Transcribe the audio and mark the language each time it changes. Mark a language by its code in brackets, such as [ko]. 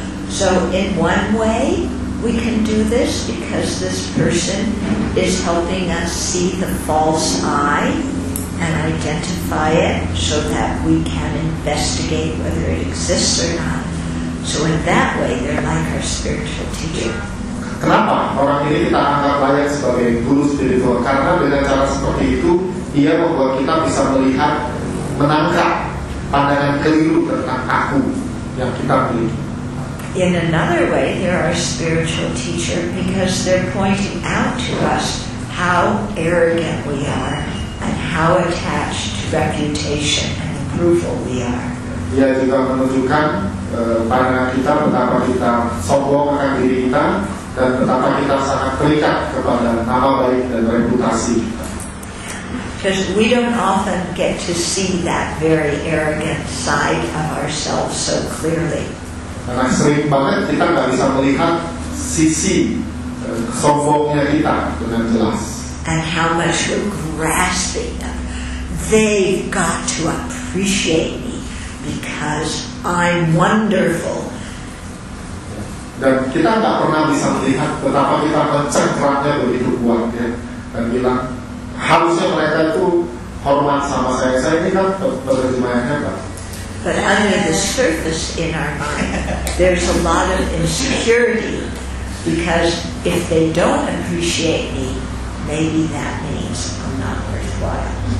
[en] So in one way we can do this because this person is helping us see the false I and identify it so that we can investigate whether it exists or not. So in that way, they're like our spiritual teacher. [id] Kenapa orang ini kita anggap layak sebagai guru spiritual? Karena dengan cara seperti itu, ia membuat kita bisa melihat, menangkap pandangan keliru tentang aku yang kita miliki. [en] In another way, they're our spiritual teacher because they're pointing out to us how arrogant we are and how attached to reputation and approval we are. [id] Dia juga menunjukkan pada kita betapa kita sombong akan diri kita dan betapa kita sangat terikat kepada nama baik dan reputasi. [en] Because we don't often get to see that very arrogant side of ourselves so clearly. [id] Karena sering banget kita nggak bisa melihat sisi sombongnya kita dengan jelas. [en] And how much we're grasping them. They've got to appreciate me because I'm wonderful. [id] Dan kita nggak pernah bisa melihat betapa kita mencengkramnya begitu kuatnya dan bilang harusnya mereka itu hormat sama saya ini kan penerjemahan hebat. [en] But under the surface in our mind, there's a lot of insecurity because if they don't appreciate me, maybe that means I'm not worthwhile.